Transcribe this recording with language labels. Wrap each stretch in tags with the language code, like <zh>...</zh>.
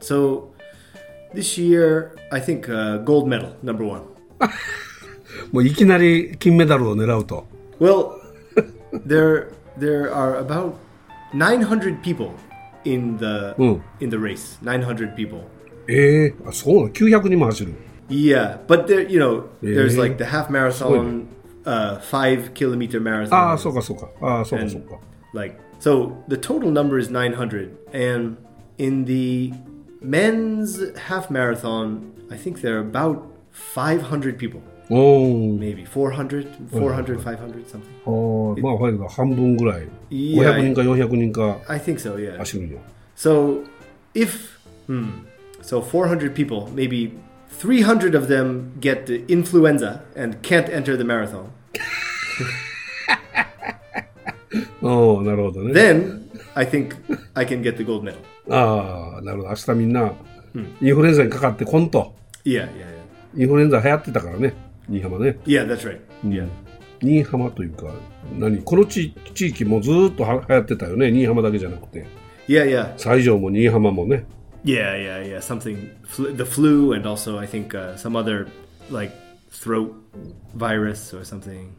<en>So, this year, I think、gold medal, number one.</en> <ja>もういきなり金メダルを狙うと。</ja> <en>Well, there are about 900 people in the race, 900 people.</en> <ja>そうなの900人も走る</ja> <en>Yeah, but there, you know, there's like the half marathon, 5 kilometer marathon.</en> <ja>ああ、そうかそうか。ああ、そうかそうか。</ja> <en>Like, so the total number is 900. And in the men's half marathon, I think there are about 500 people. Oh. Maybe 400, 500, something.</en> <ja>まあ、半分ぐらい。500人か400人か。</ja> <en>I think so, yeah.</en> <ja>走るよ。</ja> <en>So, if... So 400 people, maybe 300 of them get the influenza and can't enter the marathon.</en> <ja>Oh, なるほどね。</ja> <en>Then I think I can get the gold medal.</en> <ja>Ah, なるほど。明日みんなインフルエンザにかかってこんと。</ja> <en>Yeah, yeah, yeah.</en> <ja>インフルエンザ流行ってたからね、新居浜ね。</ja> <en>Yeah, that's right. Yeah.</en> <ja>新居浜というか、何この地域もずっと流行ってたよね、新居浜だけじゃなくて。</ja> <en>Yeah, yeah.</en> <ja>西条も新居浜もね。</ja> <en>Yeah, yeah, yeah. Something, the flu, and also I think、some other like throat virus or something.</en>